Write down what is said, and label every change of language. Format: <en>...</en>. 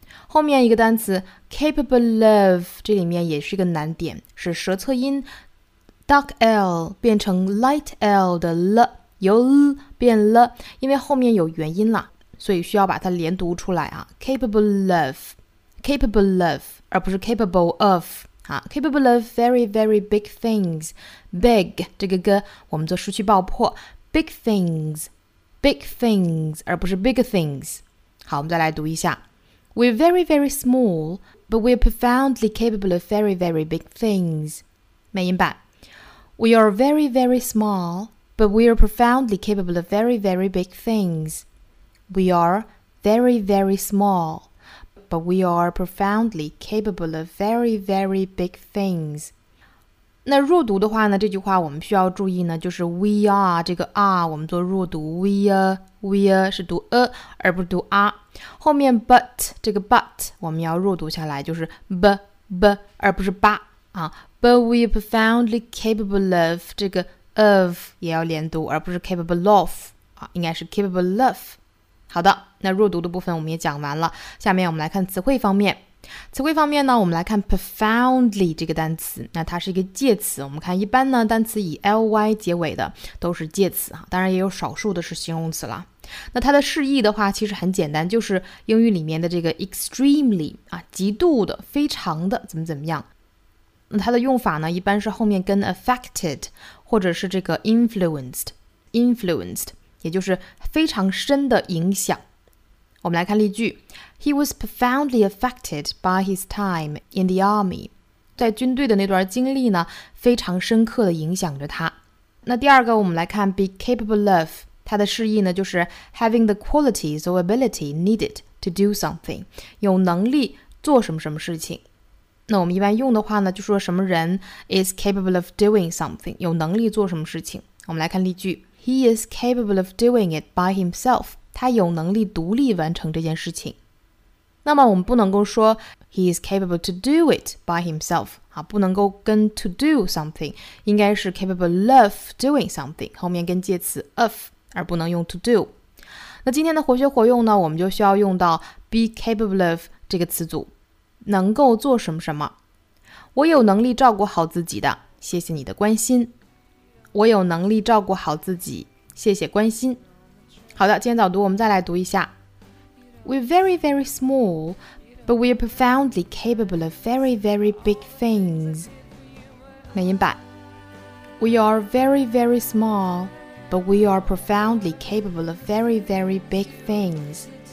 <zh>后面一个单词 capable of, 这里面也是一个难点，是舌侧音 dark l 变成 light l 的 l, 由 l 变 l, 因为后面有元音了，所以需要把它连读出来啊 capable of, 而不是 capable of, 啊</zh> <en>capable of very, very big things,</en> <zh>big, 这个歌我们做失去爆破 big things, 而不是 big things. 好，我们再来读一下。</zh> <en>We're very, very small, But we're profoundly capable of very, very big things.</en> <zh>美音版</zh> <en>We are very, very small, but we are profoundly capable of very, very big things. We are very, very small, but we are profoundly capable of very, very big things.</en> <zh>那弱读的话呢，这句话我们需要注意呢，就是 we are 这个 are 我们做弱读 we are 是读 a 而不是读 a， 后面 but 这个 but 我们要弱读下来，就是 b b 而不是 ba 啊。</zh> <en>But we are profoundly capable of 这个 of</en> <zh>也要连读，而不是 capable of 啊，应该是 capable of。好的，那弱读的部分我们也讲完了，下面我们来看词汇方面。词汇方面呢，我们来看 profoundly 这个单词，那它是一个介词。我们看一般呢，单词以 ly 结尾的都是介词啊，当然也有少数的是形容词了。那它的释义的话其实很简单，就是英语里面的这个 extremely 啊，极度的、非常的怎么怎么样。那它的用法呢，一般是后面跟 affected 或者是这个 influenced 也就是非常深的影响。我们来看例句。</zh> <en>He was profoundly affected by his time in the army.</en> <zh>在军队的那段经历呢，非常深刻地影响着他。那第二个我们来看 be capable of， 它的释义呢就是</zh> <en>having the qualities or ability needed to do something，</en> <zh>有能力做什么什么事情。那我们一般用的话呢，就说什么人</zh> <en>is capable of doing something，</en> <zh>有能力做什么事情。我们来看例句。</zh> <en>He is capable of doing it by himself.</en> <zh>他有能力独立完成这件事情。那么我们不能够说</zh> <en>he is capable to do it by himself</en> <zh>啊，不能够跟 to do something， 应该是 capable of doing something， 后面跟介词 of， 而不能用 to do。那今天的活学活用呢，我们就需要用到 be capable of 这个词组，能够做什么什么。我有能力照顾好自己的，谢谢你的关心。我有能力照顾好自己，谢谢关心。好的，今天早读我们再来读一下。</zh> <en>We're very, very small, but we're profoundly capable of very, very big things.</en> <zh>美音版</zh> <en>We are very, very small, but we are profoundly capable of very, very big things.</en>